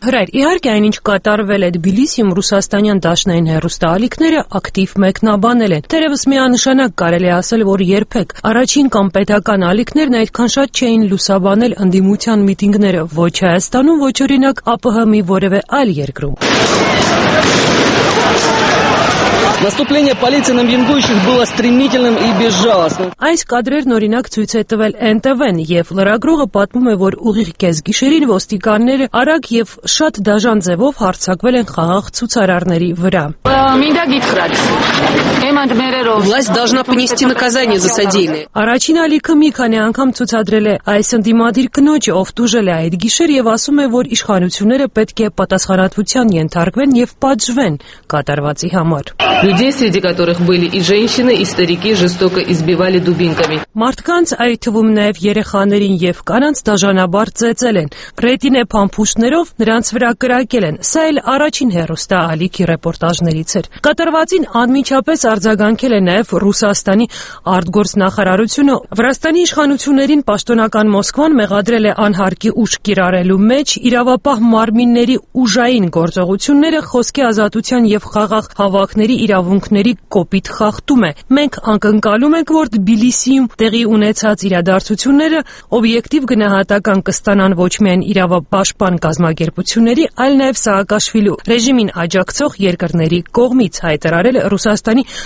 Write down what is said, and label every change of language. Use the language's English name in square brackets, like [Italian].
[Armenian] Հրայր, իհարկե այնինչ կատարվել է Թբիլիսիում ռուսաստանյան դաշնային հեռուստաալիքները ակտիվ մեկնաբանել են։ Թերևս միանշանակ կարելի է ասել, որ երբեք առաջին կամ պետական ալիքներն այդքան շատ չէին լուսաբանել ընդդիմության միտինգները ոչ Հայաստանում, ոչ օրինակ ԱՊՀ մի որևէ այլ երկրում։ [Russian] Наступление полиции на митингующих было стремительным и безжалостным. [Armenian] Այս կադրերն օրինակ ցույց է տվել NTV-ն, եւ լրագրողը պատմում է, որ ուղիղ կեսգիշերին ոստիկանները արագ եւ շատ դաժան ձևով հարձակվել են խաղաղ ցուցարարների վրա։ [Russian] Власть должна понести наказание за содеянное. [Armenian] Առաջին ալիքը մի քանի անգամ ցուցադրել է այս ընդդիմադիր կնոջը, ով դուժել է այդ գիշեր եւ ասում է, որ իշխանությունները պետք է պատասխանատվության ենթարկվեն եւ պատժվեն կատարվածի համար։ [Russian] Людей, среди которых были и женщины, и старики, жестоко избивали дубинками. [Armenian] Մարդկանց այդ թվում նաև երեխաներին եւ կանանց դաժանաբար ծեծել են։ Ռետինե փամփուշներով նրանց վրա կրակել են։ Սա էլ առաջին հեռուստաալիքի ռեպորտաժներից էր։ Կատարվածին անմիջապես արձագանքել է նաև Ռուսաստանի արտգործնախարարությունը։ Վրաստանի իշխանություններին պաշտոնական Մոսկվան մեղադրել է անհարկի ուժ կիրառելու մեջ իրավապահ մարմինների ուժային գործողությունները, խոսքի ազատության եւ խաղաղ հավաքների իրավունքների կոպիտ խախտում է։ Մենք ակնկալում ենք, որ Թբիլիսիում տեղի ունեցած իրադարձությունները օբյեկտիվ գնահատական կստանան ոչ միայն իրավապաշտպան կազմակերպությունների, այլ նաև Սաակաշվիլու ռեժիմին աջակցող երկրների կողմից, հայտարարել է Ռուսաստանի